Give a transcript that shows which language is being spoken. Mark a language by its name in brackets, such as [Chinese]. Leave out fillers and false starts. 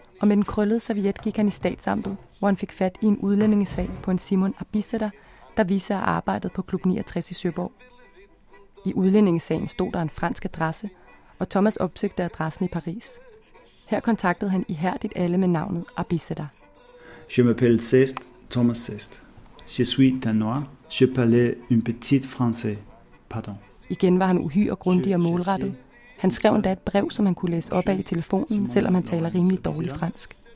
[Danish] Og med den krøllede serviet gik han i statsamtet, hvor han fik fat i en udlændingesag på en Simon Abisætter, der viste sig at arbejde på Klub 69 i Søborg. I udlændingesagen stod der en fransk adresse, og Thomas opsøgte adressen i Paris. Her kontaktede han ihærdigt alle med navnet Abisætter. [French] Je m'appelle Cest, Thomas Cest. Je suis danois. Je parle un petit français. Pardon. [Danish] Igen var han uhyre grundig og målrettet. Han skrev endda et brev, som han kunne læse op af i telefonen, selvom han taler rimelig dårligt fransk.